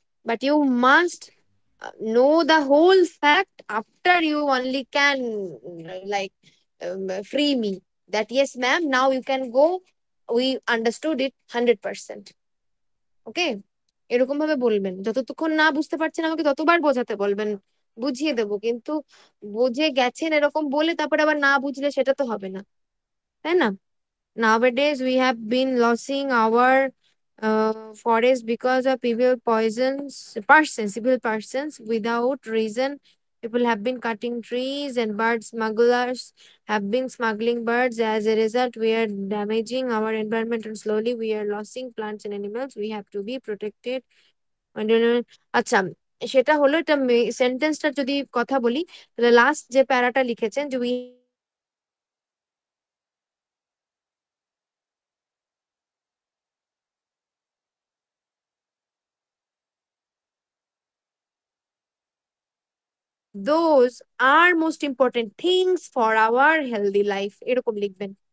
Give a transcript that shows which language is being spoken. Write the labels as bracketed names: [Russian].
[English] But you must know the whole fact, after you only can like free me that yes ma'am now you can go, we understood it 100%। [Bangla] ওকে, এরকম ভাবে বলবেন, যতক্ষণ না বুঝতে পারছেন আমাকে ততবার বোঝাতে বলবেন, বুঝিয়ে দেবো, কিন্তু বুঝে গেছেন এরকম বলে তারপরে আবার না বুঝলে সেটা তো হবে না, তাই না? [English] Nowadays we have been losing our forest because of evil poisons, persons, evil persons without reason. People have been cutting trees and bird smugglers have been smuggling birds. As a result, we are damaging our environment and slowly we are losing plants and animals. We have to be protected. [Bangla] আচ্ছা, সেটা হলো এটা সেন্টেন্সটা যদি কথা বলি, তাহলে last যে প্যারাটা লিখেছেন যে [English] we those are most important things for our healthy life, [Bangla] এরকম লিখবেন।